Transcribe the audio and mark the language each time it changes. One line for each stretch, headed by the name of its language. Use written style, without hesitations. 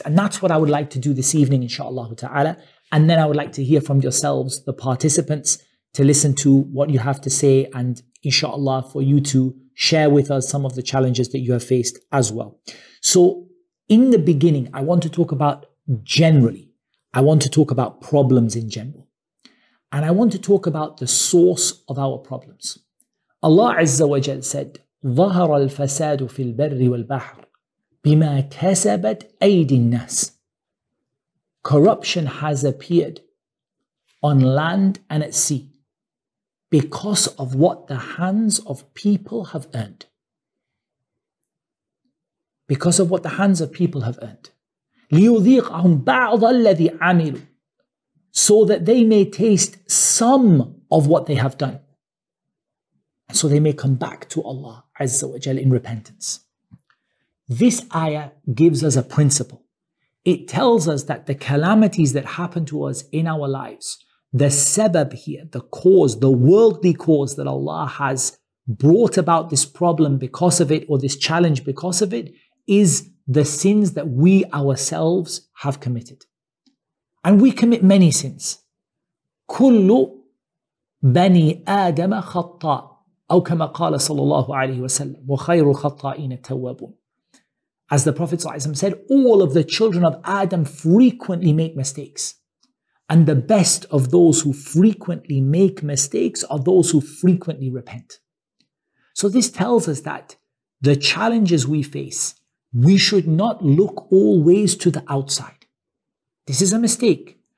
English: And that's what I would like to do this evening, inshallah ta'ala. And then I would like to hear from yourselves, the participants, to listen to what you have to say, and inshallah for you to share with us some of the challenges that you have faced as well. So in the beginning, I want to talk about generally, I want to talk about problems in general. And I want to talk about the source of our problems. Allah Azza wa Jal said,
Arabic: ظهر الفساد في البر والبحر بما كسبت أيدي الناس.
English: Corruption has appeared on land and at sea because of what the hands of people have earned. Because of what the hands of people have earned.
Arabic: لِيُذِيقَهُمْ بَعْضَ الَّذِي عَمِلُوا,
English: so that they may taste some of what they have done, so they may come back to Allah Azza wa Jal in repentance. This ayah gives us a principle. It tells us that the calamities that happen to us in our lives, the sabab here, the cause, the worldly cause that Allah has brought about this problem because of it, or this challenge because of it, is the sins that we ourselves have committed. And we commit many sins.
Arabic: كل بني آدم خطاء, أو كما قال صلى الله عليه وسلم, وخير الخطائين التوابون.
English: As the Prophet ﷺ said, all of the children of Adam frequently make mistakes. And the best of those who frequently make mistakes are those who frequently repent. So this tells us that the challenges we face, we should not look always to the outside. This is a mistake.